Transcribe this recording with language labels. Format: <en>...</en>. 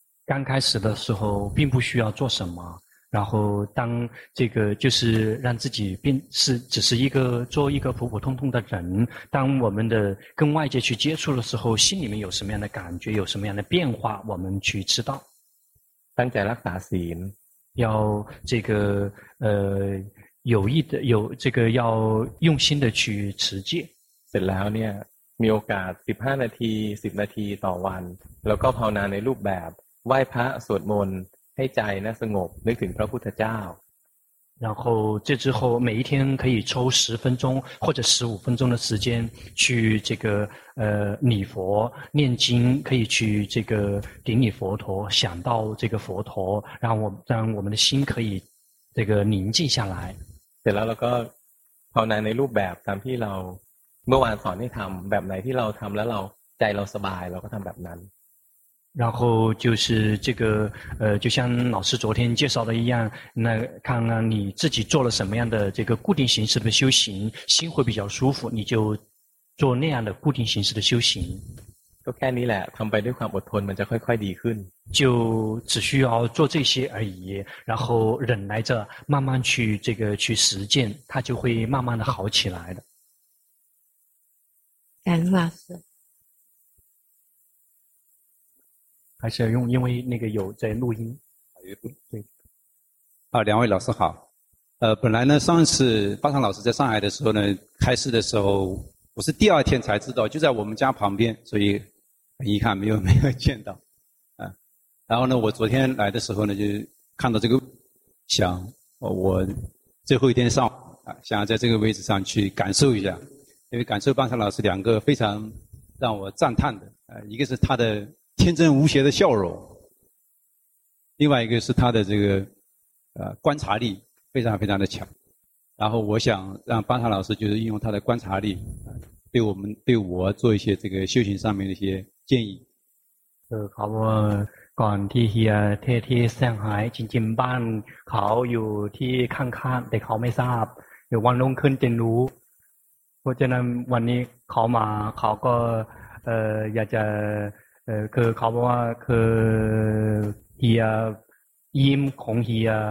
<zh>刚开始的时候并不需要做什么然后当这个就是让自己变是只是一个做一个普普通通的人当我们的跟外界去接触的时候心里面有什么样的感觉有什么样的变化我们去知道当在拉萨心要这个有意的有这个要用心的去持戒</zh> <th>เสร็จแล้วเนี่ยมีโอกาส15นาที10นาทีต่อวันแล้วก็ภาวนาในรูปแบบไหว้พระสวดมนต์ให้ใจนะสงบนึกถึงพระพุทธเจ้า</th> <zh>然后这之后每一天可以抽十分钟或者十五分钟的时间去这个礼佛念经可以去这个顶礼佛陀想到这个佛陀让我们的心可以这个宁静下来</zh> <th>เสร็จแล้วเราก็ภาวนาในรูปแบบตามที่เราเมื่อวานสอนให้ทำแบบไหนที่เราทำแล้วเราใจเราสบายเราก็ทำแบบนั้น</th> <zh>然后就是这个就像老师昨天介绍的一样那看看你自己做了什么样的这个固定形式的修行心会比较舒服你就做那样的固定形式的修行</zh> <th>就แค่นี้แหละทำไปด้วยความอดทนมันจะค่อยๆดีขึ้น</th> <zh>就只需要做这些而已然后忍耐着慢慢去这个去实践它就会慢慢的好起来的感恩老师还是要用因为那个有在录音对啊，两位老师好本来呢上次巴长老师在上海的时候呢开示的时候我是第二天才知道就在我们家旁边所以很遗憾没有见到啊。然后呢我昨天来的时候呢就看到这个想我最后一天上啊，想要在这个位置上去感受一下因为感受巴长老师两个非常让我赞叹的一个是他的天真无邪的笑容另外一个是他的这个观察力非常非常的强然后我想让巴塔老师就是运用他的观察力对我做一些这个修行上面的一些建议</zh> <th>ขอบคุณที่เฮียเทศที่เซี่ยงไฮ้จริงจริงบ้านเขาอยู่ที่ข้างๆแต่เขาไม่ทราบเดี๋ยววันรุ่งขึ้นจะรู้เพราะฉะนั้นวันนี้เขามาเขาก็อยากจะคือเขาบอกว่าคือเฮียยิ้มของเฮีย</th>